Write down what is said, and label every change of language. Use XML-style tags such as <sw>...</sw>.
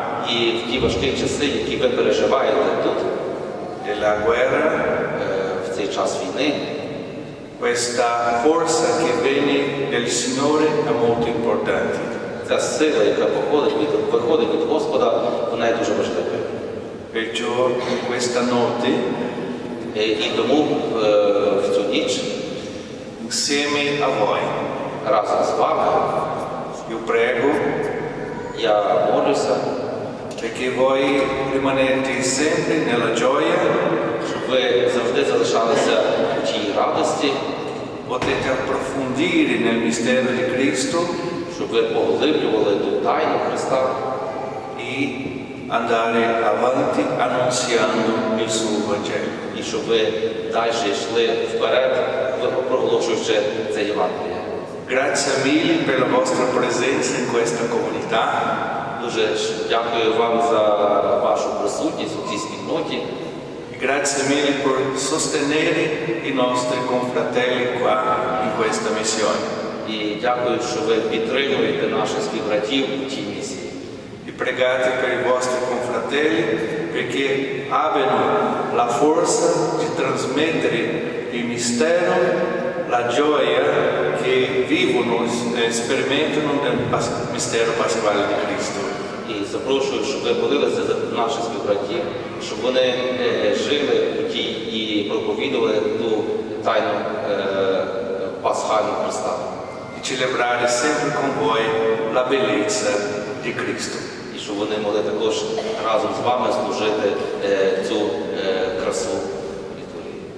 <uk>І в ті важкі часи, які ви переживаєте тут.</uk> <it>Della guerra.</it> <uk>В цей час війни.</uk> <it>Questa forza che viene del Signore è molto importante.</it> <uk>Ця сила, яка виходить від Господа, вона є дуже важлива.</uk> <it>Perciò in questa notte,</it> <uk>і тому в цю ніч,</uk> <it>insieme a voi,</it> <uk>разом з вами,</uk> <it>io prego,</it> <uk>я молюся,</uk> <it>perché voi rimanete sempre nella gioia,</it> <uk>щоб ви завжди залишалися в тій радості,</uk> <it>potete approfondire nel mistero di Cristo,</it> <uk>щоб ви поглиблювали ту тайну Христа</uk> <it>і andare avanti annunciando il suo Vangelo.</it> <uk>І щоб ви далі йшли вперед, проголошуючи це Євангеліє.</uk> <it>Grazie mille per la vostra presenza in questa comunità.</it> <uk>Дуже дякую вам за вашу присутність у цій спільноті.</uk> <it>Grazie mille per sostenere i nostri confratelli qua in questa missione.</it> <uk>І дякую, що ви підтримуєте наших співбратів у цій місії.</uk> <it>І pregate per i vostri confratelli perché abbiano la forza di trasmettere il mistero, la gioia che vivono e sperimentano nel mistero pasquale di Cristo.</it> <uk>І запрошую, щоб ви молилися за наших співбратів, щоб вони жили у тій і проповідували ту тайну пасхальну Христа.</uk> <it>E celebrare sempre con voi la bellezza di Cristo.</it> <uk>І щоб вони могли також разом з вами служити цю красу літургії.</uk>